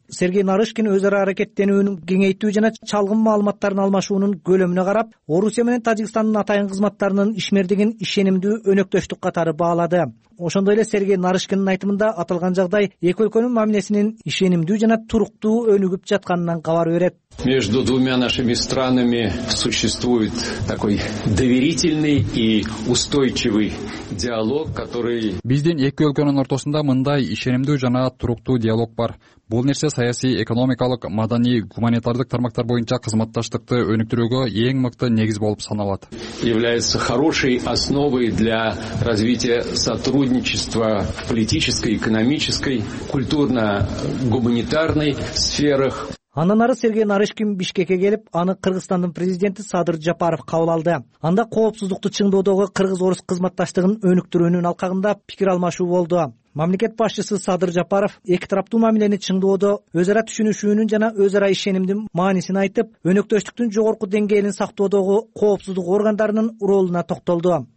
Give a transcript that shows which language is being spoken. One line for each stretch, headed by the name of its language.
Kyrgyz: Сергей Нарышкин өз ара аракеттенүүнү кеңейтүү жана чалгын маалыматтарын алмашуунун көлөмүнө карап, Орусия менен Тажикстандын атайын кызматтарынын ишмердигин ишенимдүү өнөктөштүк катары баалады. Ошондой эле Сергей Нарышкиндин айтымында аталган жагдай эки өлкөнүн мамилесинин ишенимдүү жана туруктуу өнүгүп жатканынан кабар берет.
Russian: Между двумя нашими странами существует такой доверительный и устойчивый диалог, который...
Kyrgyz: Биздин эки өлкөнүн ортосунда мындай ишенимдүү жана туруктуу диалог бар. Бул нерсе саясий, экономикалык, маданий, гуманитардык тармактар боюнча кызматташтыкты өнүктүрүүгө эң мыкты негиз болуп саналат.
Russian: Является хорошей основой для развития сотрудничества в политической, экономической, культурно-гуманитарной сферах.
Kyrgyz: Андан ары Сергей Нарышкин Бишкекке келип, аны Кыргызстандын президенти Садыр Жапаров кабыл алды. Анда коопсуздукту чыңдоодогу кыргыз-орус кызматташтыгын өнүктүрүүнүн алкагында пикир алмашуу болду. Мамлекет башчысы Садыр Жапаров эки тараптуу мамилени чыңдоодо өз ара түшүнүшүүнүн жана өз ара ишенимдин маанисин айтып, өнөктөштүктүн жогорку деңгээлин сактоодогу коопсуздук органдарынын ролуна токтолду.